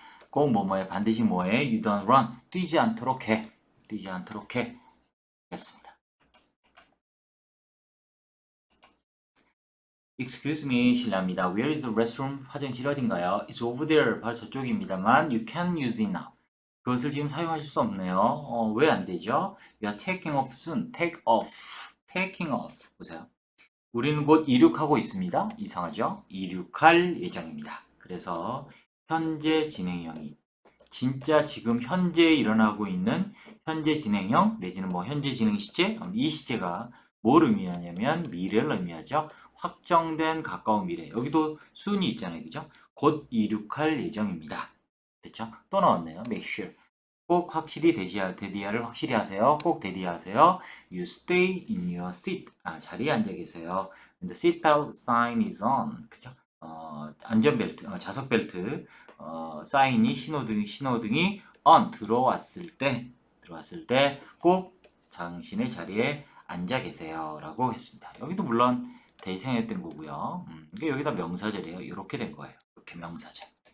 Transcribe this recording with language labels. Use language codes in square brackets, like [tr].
[ko] 꼭 뭐뭐해. 반드시 뭐해. [en] You don't run. [ko] 뛰지 않도록 해. 뛰지 않도록 해. [en] Excuse me, [ko] 실례합니다. [en] Where is the restroom? [ko] 화장실 어딘가요? [en] It's over there. [ko] 바로 저쪽입니다만, [en] you can use it now. [ko] 그것을 지금 사용하실 수 없네요. 왜안 되죠? [en] We are taking off soon. Take off. Taking off. [ko] 보세요. 우리는 곧 이륙하고 있습니다. 이상하죠? 이륙할 예정입니다. 그래서, 현재 진행형이. 진짜 지금 현재 일어나고 있는 현재 진행형, 내지는 뭐 현재 진행 시제? 이 시제가 뭘 의미하냐면, 미래를 의미하죠. 확정된 가까운 미래. 여기도 순이 있잖아요. 그죠? 곧 이륙할 예정입니다. 됐죠? 또 나왔네요. [en] Make sure. [ko] 꼭 확실히 대디아를 확실히 하세요. 꼭 대디하세요. [en] You stay in your seat. [ko] 아, 자리에 앉아 계세요. [en] And the seatbelt sign is on. [ko] 그죠? 안전벨트, 좌석벨트, 사인이, 신호등이 on. 들어왔을 때꼭 당신의 자리에 앉아 계세요. 라고 했습니다. 여기도 물론 대생했던 거고요. 이게 여기다 명사절이에요. 이렇게 된 거예요. 이렇게 명사절.